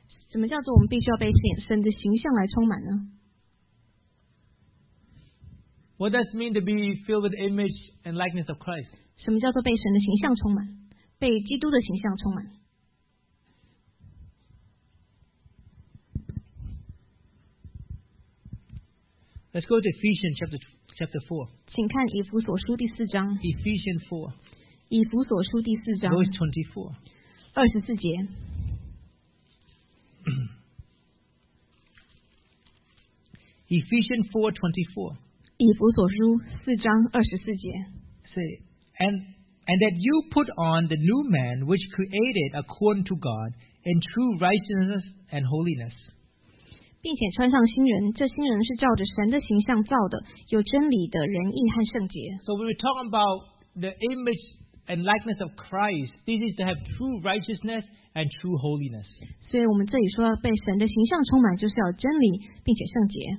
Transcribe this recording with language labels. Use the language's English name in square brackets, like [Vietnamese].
[Chinese] 什么叫做我们必须要被神的形象来充满呢？ [English] What does it mean to be filled with the image and likeness of Christ? [Chinese] 什么叫做被神的形象充满？被基督的形象充满？ [English] Let's go to Ephesians chapter 4. [Chinese] 请看以弗所书第四章。 [English] Ephesians 4. [Chinese] 以弗所书第四章。 [English] Verse 24. [Chinese] 二十四节。 [English] Ephesians 4:24. [Chinese] 以弗所书四章二十四节。 [English] Say, and, And that you put on the new man which created according to God in true righteousness and holiness. [Chinese] 并且穿上新人，这新人是照着神的形象造的，有真理的仁义和圣洁。 [English] So when we talk about the image and likeness of Christ, this is to have true righteousness and true holiness. [Chinese] 所以我们这里说被神的形象充满，就是要真理并且圣洁。